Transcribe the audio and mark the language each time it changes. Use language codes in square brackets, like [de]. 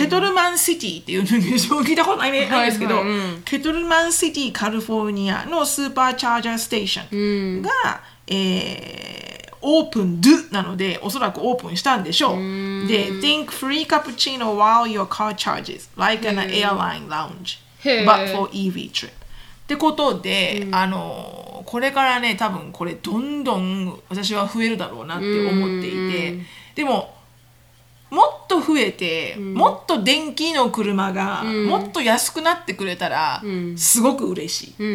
[ja] ね、ケトルマンシティっていうのに聞いたことないんですけど、はいはい、うん、ケトルマンシティカリフォルニアのスーパーチャージャーステーションが、うん、 opened なのでおそらくオープンしたんでしょう。 [en] で、Think free cappuccino while your car charges, like an airline lounge, but for EV trip. [ja] ってことで、うん、これからね、多分これどんどん私は増えるだろうなって思っていて、うん、でももっと増えて、うん、もっと電気の車がもっと安くなってくれたら、うん、すごく嬉しい、